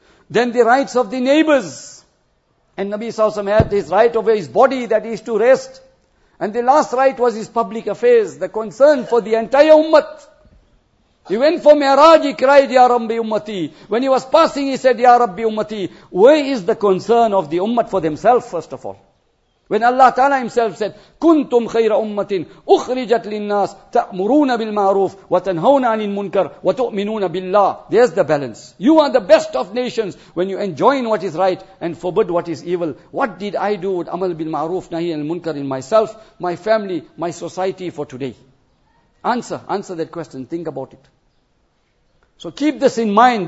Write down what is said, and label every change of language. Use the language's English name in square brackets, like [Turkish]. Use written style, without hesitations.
[English] Then the rights of the neighbors. And Nabi Sallallahu Alaihi Wasallam had his right over his body that he is to rest. And the last right was his public affairs, the concern for the entire ummah. He went for mi'raj, he cried, Ya Rabbi Ummati. When he was passing, he said, Ya Rabbi Ummati. Where is the concern of the ummah for themselves, first of all? When Allah Ta'ala Himself said, [Arabic] كُنْتُمْ خَيْرَ أُمَّةٍ أُخْرِجَتْ لِلنَّاسِ تَأْمُرُونَ بِالْمَعْرُوفِ وَتَنْهَوْنَ عَنِ الْمُنْكَرِ وَتُؤْمِنُونَ بِاللَّهِ. [English] There's the balance. You are the best of nations when you enjoin what is right and forbid what is evil. What did I do with Amal bil Ma'ruf Nahi al Munkar in myself, my family, my society for today? Answer that question. Think about it. So keep this in mind.